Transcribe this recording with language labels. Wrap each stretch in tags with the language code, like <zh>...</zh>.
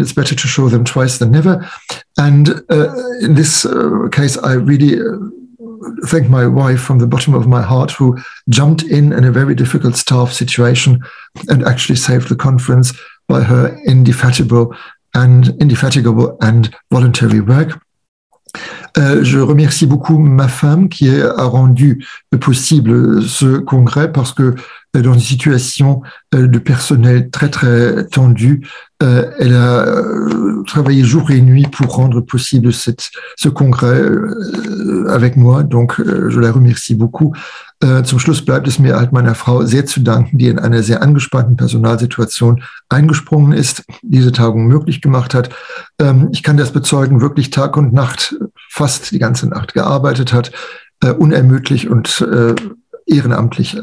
<en>It's better to show them twice than never. And in this case, I really thank my wife from the bottom of my heart, who jumped in a very difficult staff situation and actually saved the conference by her indefatigable and voluntary work.</en> <fr>Je remercie beaucoup ma femme qui a rendu possible ce congrès, parce que dans une situation de personnel très très tendue, elle a travaillé jour et nuit pour rendre possible ce congrès avec moi. Donc je la remercie beaucoup.</fr> <de>Zum Schluss bleibt es mir halt meiner Frau sehr zu danken, die in einer sehr angespannten Personalsituation eingesprungen ist, diese Tagung möglich gemacht hat. Ich kann das bezeugen, wirklich Tag und Nacht, fast die ganze Nacht gearbeitet hat, unermüdlich und ehrenamtlich.</de>